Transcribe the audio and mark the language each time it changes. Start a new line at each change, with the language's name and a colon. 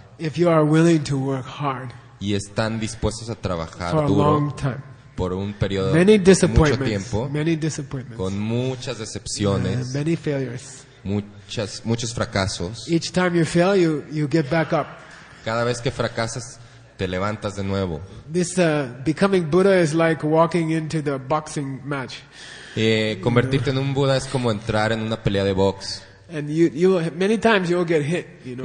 English: If you are willing to work hard,
Spanish: y están dispuestos a trabajar
English: for a
Spanish: duro
English: long time,
Spanish: por un periodo
English: many
Spanish: de mucho tiempo,
English: many disappointments,
Spanish: con muchas decepciones,
English: many failures,
Spanish: muchos fracasos.
English: Each time you fail, you get back up.
Spanish: Cada vez que fracasas, te levantas de nuevo.
English: This becoming Buddha is like walking into the boxing match.
Spanish: Convertirte en un Buda es como entrar en una pelea de box.
English: And you many times you will get hit, you know.